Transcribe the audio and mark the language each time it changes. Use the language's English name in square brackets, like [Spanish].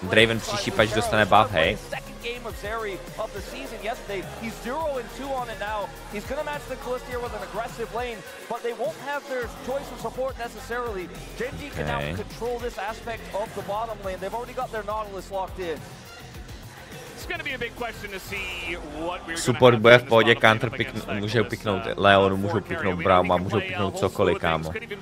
[Czech] Draven příští patch dostane buff, hej. [English] Game of Zeri of the season yesterday. He's 0-2 on it now. He's gonna match the Kalista with an aggressive lane, but they won't have their choice of support necessarily. Gen.G can now control this aspect of the bottom lane. They've already got their Nautilus locked in. It's gonna be a big question to see what we're gonna. [Czech] Support bude v pohodě, counter pick, může piknout Leon, může piknout Brauma, může piknout cokoliv, kámo.